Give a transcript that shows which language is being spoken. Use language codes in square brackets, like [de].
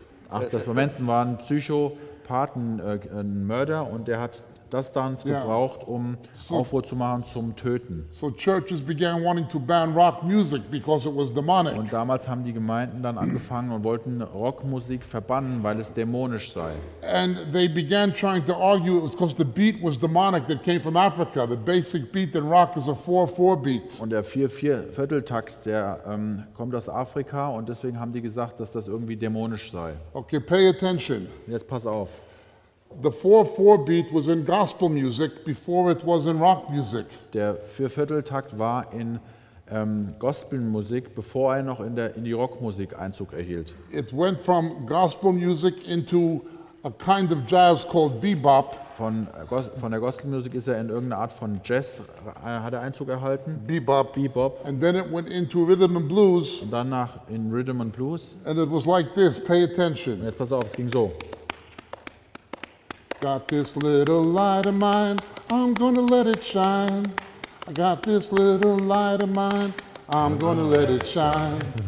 [de] Ach, das war Manson, war ein Psychopathen-Mörder und der hat das dann gebraucht, um Aufruhr zu machen zum Töten. [en] So churches began wanting to ban rock music because it was demonic. [de] Und damals haben die Gemeinden dann angefangen und wollten Rockmusik verbannen, weil es dämonisch sei. [en] And they began trying to argue it was because the beat was demonic that came from Africa. The basic beat in rock is a 4/4 beat. [de] Und der 4/4-Vierteltakt, der kommt aus Afrika und deswegen haben die gesagt, dass das irgendwie dämonisch sei. [en] Okay, pay attention. [de] Jetzt pass auf. [en] The 4/4 beat was in gospel music before it was in rock music. [de] Der Vierteltakt war in Gospelmusik, bevor er noch in die Rockmusik Einzug erhielt. [en] It went from gospel music into a kind of jazz called bebop. [de] Von der Gospelmusik ist er in irgendeine Art von Jazz hat er Einzug erhalten. [en] Bebop. And then it went into rhythm and blues. [de] Und danach in rhythm and blues. [en] And it was like this. Pay attention. [de] Jetzt pass auf, es ging so. [en] Got this little light of mine, I'm gonna let it shine. I got this little light of mine, I'm gonna let it shine.